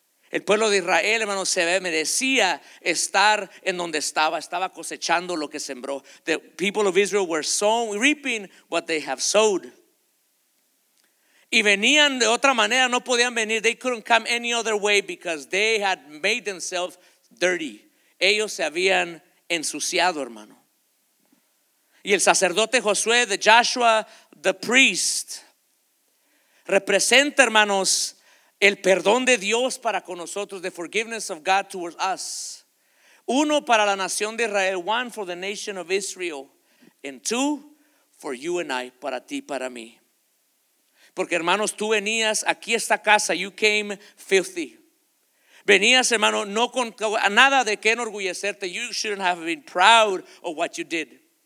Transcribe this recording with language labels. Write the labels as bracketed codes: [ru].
[es] El pueblo de Israel, hermanos, se merecía estar en donde estaba. Estaba cosechando lo que sembró. [en] The people of Israel were sown, reaping what they have sowed. [es] Y venían de otra manera, no podían venir. [en] They couldn't come any other way because they had made themselves dirty. [es] Ellos se habían ensuciado, hermano. Y el sacerdote Josué, [en] the Joshua, the priest, [es] representa, hermanos, el perdón de Dios para con nosotros, [en] the forgiveness of God towards us. [es] Uno, para la nación de Israel, [en] one for the nation of Israel, and two, for you and I, [es] para ti, para mí. Porque, hermanos, tú venías aquí a esta casa, [en] you came filthy. [es] Venías, hermano, no con nada de qué enorgullecerte. [en] You shouldn't have been proud of what you did.